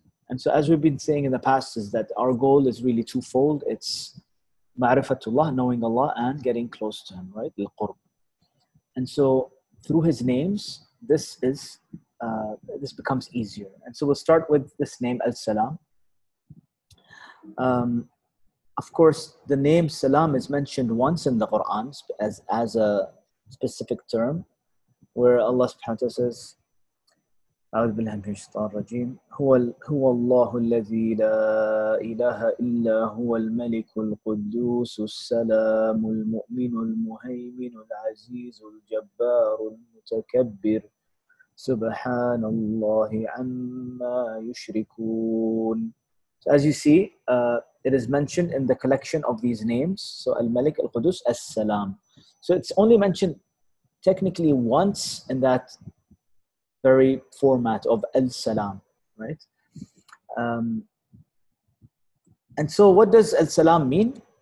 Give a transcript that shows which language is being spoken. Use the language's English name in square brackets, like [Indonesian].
[English] And so as we've been saying in the past, is that our goal is really twofold. It's ma'rifatullah, knowing Allah, and getting close to Him, right? Al-Qurb. And so through His names, this is this becomes easier. And so we'll start with this name, Al-Salam. Of course, the name Salam is mentioned once in the Quran as a specific term, where Allah subhanahu wa ta'ala says, [Arabic] أعوذ بالله من الشيطان الرجيم هو الله الذي لا إله إلا هو الملك القدوس السلام المؤمن المهيمن العزيز الجبار المتكبر سبحان الله عما يشركون. [English] So as you see, it is mentioned in the collection of these names. So Al-Malik, Al-Qudus, As-Salam. So it's only mentioned technically once in that very format of Al-Salam, right? And so what does Al-Salam mean?